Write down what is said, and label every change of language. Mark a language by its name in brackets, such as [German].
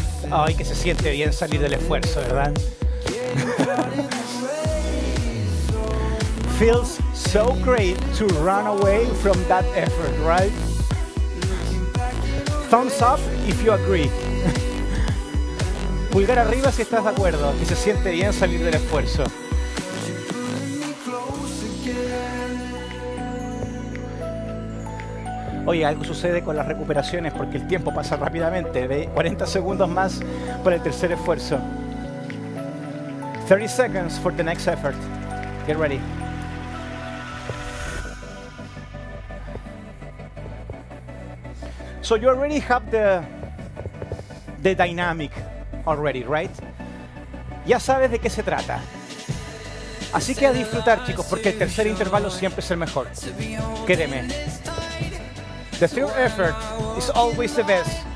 [Spanish] Ay, que se siente bien salir del esfuerzo, ¿verdad? [English] Feels so great to run away from that effort, right? Thumbs up if you agree. [Spanish] Pulgar arriba si estás de acuerdo, que se siente bien salir del esfuerzo. Oye, algo sucede con las recuperaciones porque el tiempo pasa rápidamente. Ve, 40 segundos más para el tercer esfuerzo. [English] 30 seconds for the next effort. Get ready. So you already have the dynamic already, right? [Spanish] Ya sabes de qué se trata. Así que a disfrutar, chicos, porque el tercer intervalo siempre es el mejor. Créeme. [English] The third effort is always the best.